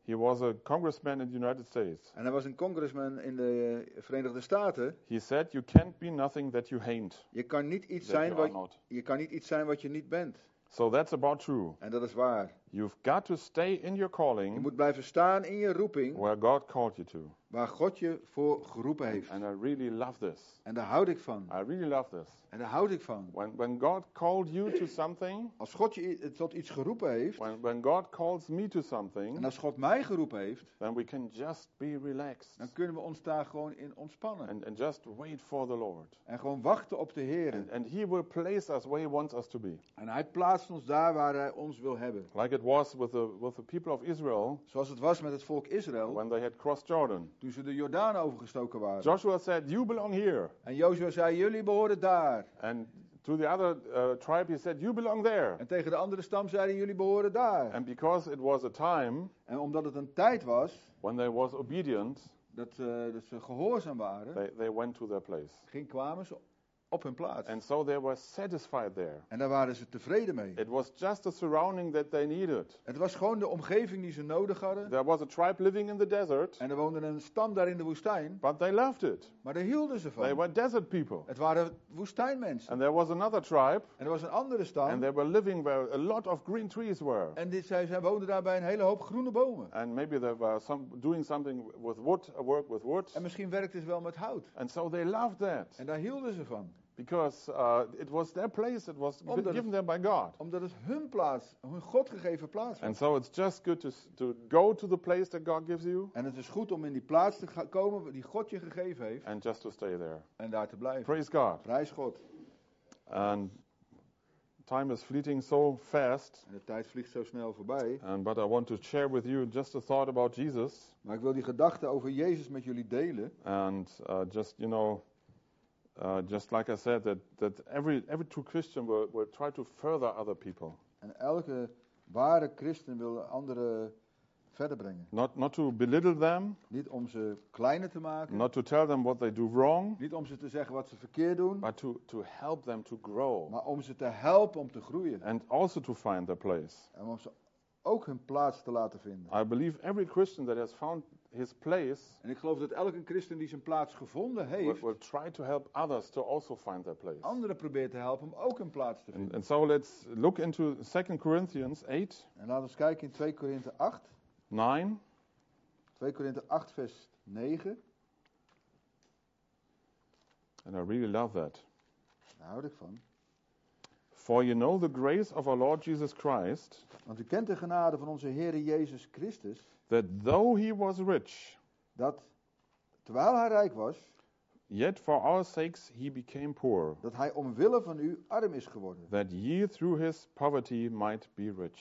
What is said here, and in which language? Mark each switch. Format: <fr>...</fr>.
<en>He was a congressman in the United States.</en> <nl>En hij was een congressman in de Verenigde Staten.</nl> <en>He said, "You can't be nothing that you ain't."</en> <nl>Je kan niet iets zijn wat je kan niet iets zijn wat je niet bent.</nl> <en>So that's about true.</en> <nl>En dat is waar.</nl> <en>You've got to stay in your calling.</en> <nl>Je moet blijven staan in je roeping.</nl> <en>Where God called you to.</en> <nl>Waar God je voor geroepen heeft.</nl> <en>And I really love this.</en> <nl>En daar houd ik van.</nl> <en>I really love this.</en> <nl>En daar houd ik van.</nl> <en>When God called you to something.</en> <nl>Als God je tot iets geroepen heeft.</nl> <en>When God calls me to something.</en> <nl>En als God mij geroepen heeft.</nl> <en>Then we can just be relaxed.</en> <nl>Dan kunnen we ons daar gewoon in ontspannen.</nl> <en>And just wait for the Lord.</en> <nl>En gewoon wachten op de Heer.</nl> <en>And He will place us where He wants us to be.</en> <nl>En Hij plaatst ons daar waar Hij ons wil hebben.</nl> <en>Like it was with the people of Israel.</en> <nl>Zoals het was met het volk Israël.</nl> <en>When they had crossed Jordan.</en> <nl>Toen ze de Jordaan overgestoken waren.</nl> <en>Joshua said, "You belong here."</en> <nl>En Joshua zei, jullie behoren daar.</nl> <en>And to the other tribe he said, "You belong there."</en> <nl>En tegen de andere stam zeiden, jullie behoren daar.</nl> <en>And because it was a time.</en> <nl>En omdat het een tijd was.</nl> <en>When they was obedient.</en> <nl>Dat ze gehoorzaam waren.</nl> <en>They went to their place.</en> <nl>Kwamen ze op hun plaats.</nl> <en>And so they were satisfied there.</en> <nl>En daar waren ze tevreden mee.</nl> <en>It was just the surrounding that they needed.</en> <nl>Het was gewoon de omgeving die ze nodig hadden.</nl> <en>There was a tribe living in the desert.</en> <nl>En er woonde een stam daar in de woestijn.</nl> <en>But they loved it.</en> <nl>Maar daar hielden ze van.</nl> <en>They were desert people.</en> <nl>Het waren woestijnmensen.</nl> <en>And there was another tribe.</en> <nl>En er was een andere stam.</nl> <en>And they were living where a lot of green trees were.</en> <nl>En zij woonden daar bij een hele hoop groene bomen.</nl> <en>And maybe they were doing something with wood, work with wood.</en> <nl>En misschien werkte ze wel met hout.</nl> <en>And so they loved that.</en> <nl>En daar hielden ze van.</nl> <en>Because it was their place, it was given them by God.</en> <nl>Omdat het hun plaats, hun God gegeven plaats was.</nl> <en>And so it's just good to go to the place that God gives you.</en> <nl>En het is goed om in die plaats te komen die God je gegeven heeft.</nl> <en>And just to stay there.</en> <nl>En daar te blijven.</nl> <en>Praise God.</en> <nl>Prijs God.</nl> <en>And time is fleeting so fast.</en> <nl>En de tijd vliegt zo snel voorbij.</nl> <en>But I want to share with you just a thought about Jesus.</en> <nl>Maar ik wil die gedachte over Jezus met jullie delen.</nl> <en>And just, you know. Just like I said, that every true Christian will try to further other people.</en> <nl>En elke ware Christen wil anderen verder brengen.</nl> <en>Not to belittle them.</en> <nl>Niet om ze kleiner te maken.</nl> <en>Not to tell them what they do wrong.</en> <nl>Niet om ze te zeggen wat ze verkeerd doen.</nl> <en>But to help them to grow.</en> <nl>Maar om ze te helpen om te groeien.</nl> <en>And also to find their place.</en> <nl>En om ze ook hun plaats te laten vinden.</nl> <en>I believe every Christian that has found his place.</en> <nl>En ik geloof dat elke christen die zijn plaats gevonden heeft.</nl> <en>Will try to help others to also find their place.</en> <nl>Anderen proberen te helpen om ook een plaats te vinden.</nl> <en>And so let's look into 2 Corinthians 8.</en> <nl>En laten we kijken in 2 Korinthe 8.</nl> <en>9.</en> <nl>2 Korinthe 8 vers 9.</nl> <en>And I really love that.</en> <nl>Daar houd ik van.</nl> <en>For you know the grace of our Lord Jesus Christ.</en> <nl>Want u kent de genade van onze Heere Jezus Christus.</nl> <en>That though he was rich.</en> <nl>Dat terwijl hij rijk was.</nl> <en>Yet for our sakes he became poor.</en> <nl>Dat hij omwille van u arm is geworden.</nl> <en>That ye through his poverty might be rich.</en>